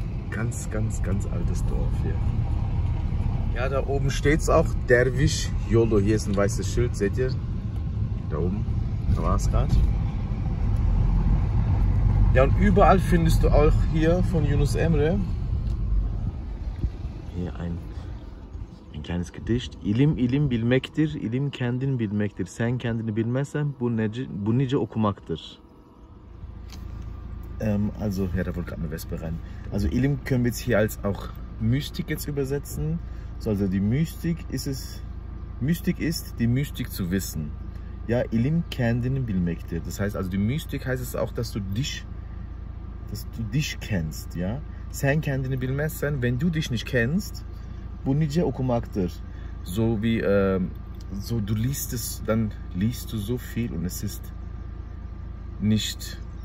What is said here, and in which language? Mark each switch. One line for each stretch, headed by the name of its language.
German: Ganz, ganz, ganz altes Dorf hier. Ja, da oben steht es auch, Derviş Yolu. Hier ist ein weißes Schild, seht ihr? Da oben, da war es gerade. Ja, und überall findest du auch hier von Yunus Emre hier ein kleines Gedicht.
Turkish: İlim ilim bilmektir, ilim kendin bilmektir. Sen kendini bilmezsen bu nice okumaktır.
German: Also, ja, da wollte gerade eine Wespe rein. Also, Ilim können wir jetzt hier als auch Mystik jetzt übersetzen. So, also, die Mystik ist es. Mystik ist, die Mystik zu wissen.
Turkish: Ja, Ilim kendini bilmektir.
German: Das heißt, also, die Mystik heißt es auch, dass du dich kennst, ja.
Turkish: Sen kendini bilmezsen,
German: wenn du dich nicht kennst,
Turkish: bu nice okumaktır.
German: So wie, so du liest es, dann liest du so viel und es ist nicht.